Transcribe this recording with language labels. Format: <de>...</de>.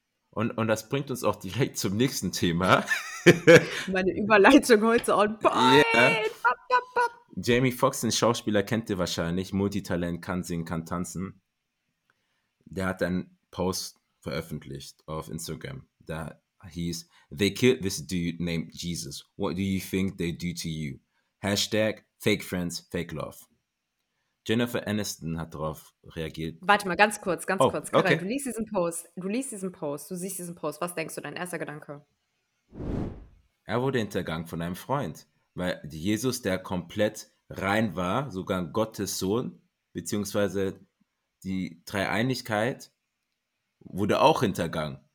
<de>Und das bringt uns auch direkt zum nächsten Thema. Meine Überleitung heute</de> <en>on point. Yeah.</en> <de>Jamie Foxx, den Schauspieler, kennt ihr wahrscheinlich. Multitalent, kann singen, kann tanzen. Der hat einen Post veröffentlicht auf Instagram. Da hieß,</de> <en>they killed this dude named Jesus. What do you think they do to you? Hashtag fake friends, fake love.</en> <de>Jennifer Aniston hat darauf reagiert. Warte mal, ganz kurz. Okay. Karin, du siehst diesen Post. Was denkst du, dein erster Gedanke? Er wurde hintergangen von einem Freund, weil Jesus, der komplett rein war, sogar Gottes Sohn, beziehungsweise die Dreieinigkeit, wurde auch hintergangen.</de>